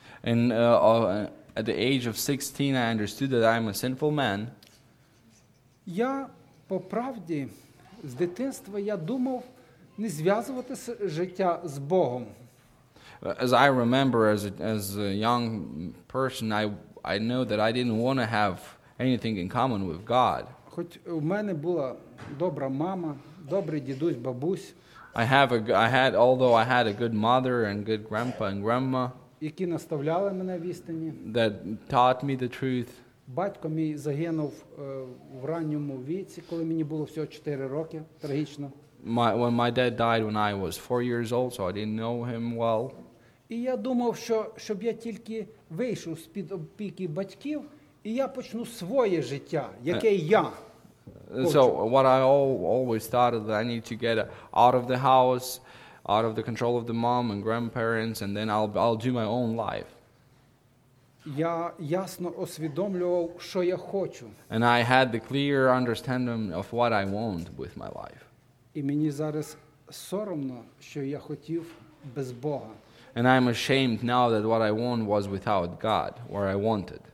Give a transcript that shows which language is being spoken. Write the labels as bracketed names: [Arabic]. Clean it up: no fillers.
[English] And at the age of 16 I understood that I'm a sinful man. [Ukrainian] Я по правді з дитинства я думав не зв'язувати життя з Богом. [English] As I remember as a young person, I know that I didn't want to have anything in common with God. [Ukrainian] Хоч у мене була добра мама, добрий дідусь, бабусь. [English] I had a good mother and good grandpa and grandma, [Ukrainian] які наставляли мене в істині. [English] That taught me the truth. [Ukrainian] Батько мій загинув в ранньому віці, коли мені було всього 4 роки, трагічно. [English] When my dad died when I was 4 years old, so I didn't know him well. [Ukrainian] І я думав, що щоб я тільки вийшов з-під опіки батьків, і я почну своє життя, яке я. [English] So what I always thought that I need to get out of the house, out of the control of the mom and grandparents, and then I'll do my own life. [Ukrainian] Я ясно усвідомлював, що я хочу. [English] And I had the clear understanding of what I want with my life. [Ukrainian] І мені зараз соромно, що я хотів без Бога. [English] And I'm ashamed now that what I want was without God, where I wanted.